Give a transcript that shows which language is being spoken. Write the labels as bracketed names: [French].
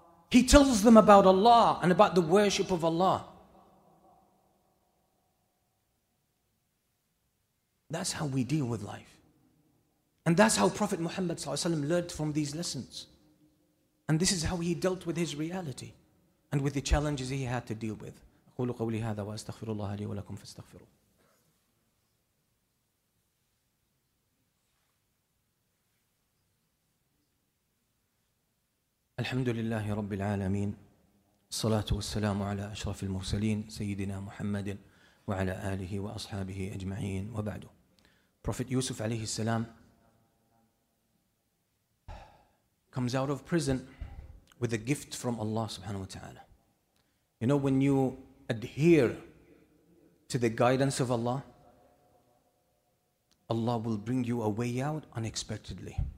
[English] He tells them about Allah and about the worship of Allah. That's how we deal with life. And that's how Prophet Muhammad ﷺ learned from these lessons. And this is how he dealt with his reality and with the challenges he had to deal with. [Arabic] أقول قولي هذا وأستغفر الله لي ولكم فاستغفروا. الحمد لله رب العالمين الصلاة والسلام على أشرف المرسلين سيدنا محمد وعلى آله وأصحابه أجمعين وبعد. [English] Prophet Yusuf عليه السلام comes out of prison with a gift from Allah subhanahu wa ta'ala. You know, when you adhere to the guidance of Allah, Allah will bring you a way out unexpectedly.